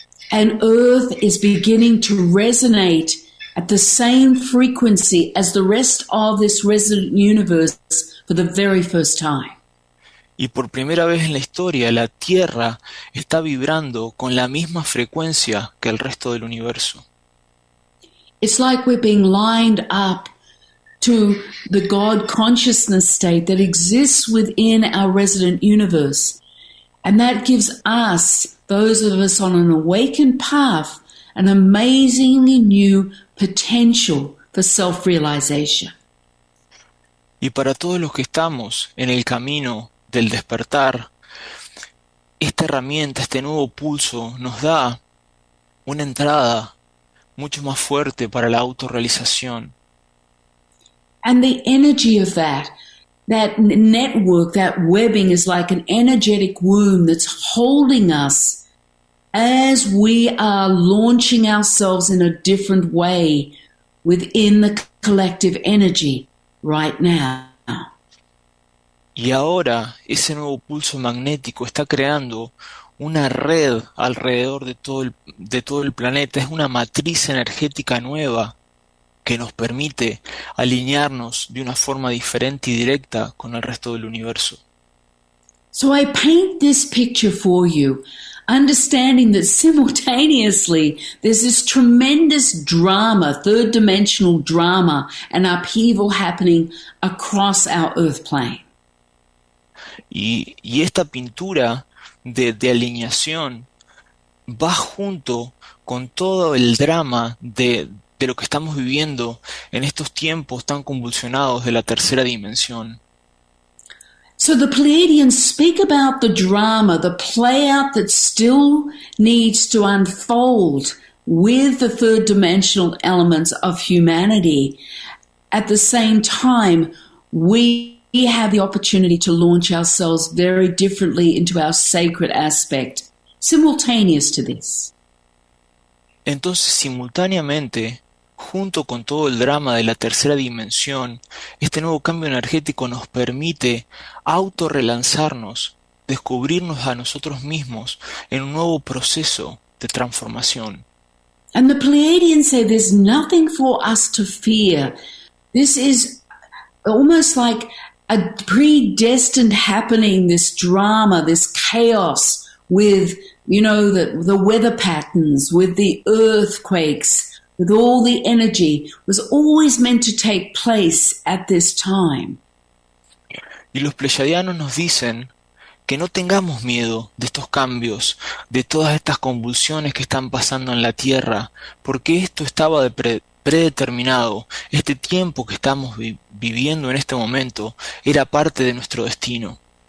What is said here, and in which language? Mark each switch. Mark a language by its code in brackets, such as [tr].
[en] And Earth is beginning to resonate at the same frequency as the rest of this resident universe for the very first time. [es] Y por primera vez en la historia, la Tierra está vibrando con la misma frecuencia que el resto del universo. [en] It's like we're being lined up to the God consciousness state that exists within our resident universe. And that gives us, those of us on an awakened path, an amazingly new potential for self-realization. [es] Y para todos los que estamos en el camino del despertar, esta herramienta, este nuevo pulso, nos da una entrada mucho más fuerte para la autorrealización. [en] And the energy of that network, that webbing is like an energetic womb that's holding us as we are launching ourselves in a different way within the collective energy right now. [es] Y ahora ese nuevo pulso magnético está creando una red alrededor de todo el planeta. Es una matriz energética nueva que nos permite alinearnos de una forma diferente y directa con el resto del universo. [en] So I paint this picture for you, understanding that simultaneously there's this tremendous drama, third dimensional drama and upheaval happening across our earth plane. [es] Y esta pintura de alineación va junto con todo el drama de lo que estamos viviendo en estos tiempos tan convulsionados de la tercera dimensión. [en] So the Pleiadians speak about the drama, the play out that still needs to unfold with the third dimensional elements of humanity. At the same time, we have the opportunity to launch ourselves very differently into our sacred aspect, simultaneous to this. [es] Entonces, simultáneamente, junto con todo el drama de la tercera dimensión, este nuevo cambio energético nos permite autorrelanzarnos, descubrirnos a nosotros mismos en un nuevo proceso de transformación. [en] And the Pleiadians say there's nothing for us to fear. This is almost like a predestined happening, this drama, this chaos with, the weather patterns, with the earthquakes, with all the energy was always meant to take place at this time. [es] Y los pleyadianos nos dicen que no tengamos miedo de estos cambios, de todas estas convulsiones que están pasando en la Tierra, porque esto estaba de predeterminado. Este tiempo que estamos viviendo en este momento era parte de nuestro destino.